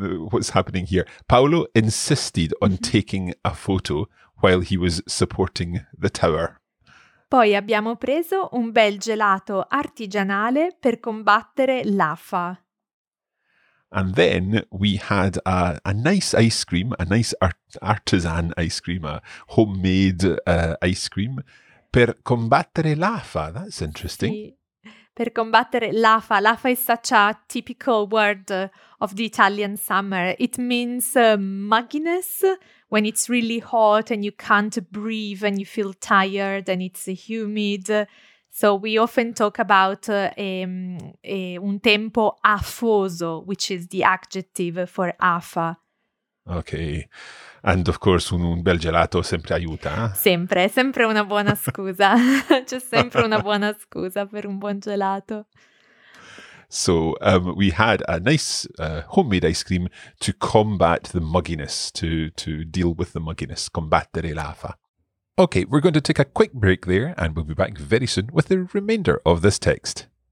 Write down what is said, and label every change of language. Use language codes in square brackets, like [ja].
[en] what's happening here? Paolo insisted on taking a photo while he was supporting the tower. [it] Poi abbiamo preso un bel gelato artigianale per combattere l'afa. [en] And then we had a nice ice cream, a nice artisan ice cream, a homemade ice cream, [it] per combattere l'afa. [en] That's interesting. [it] Sì. Per combattere l'afa. [en] L'afa is such a typical word of the Italian summer. It means mugginess, when it's really hot and you can't breathe and you feel tired and it's humid. So we often talk about [it] un tempo afoso, [en] which is the adjective for afa. Okay. And of course, [it] un bel gelato sempre aiuta. Sempre, sempre una buona scusa. C'è sempre una buona scusa per un buon gelato. [en] So we had a nice homemade ice cream to combat the mugginess, to deal with the mugginess, [it] combattere l'afa. [en] Okay, we're going to take a quick break there and we'll be back very soon with the remainder of this text.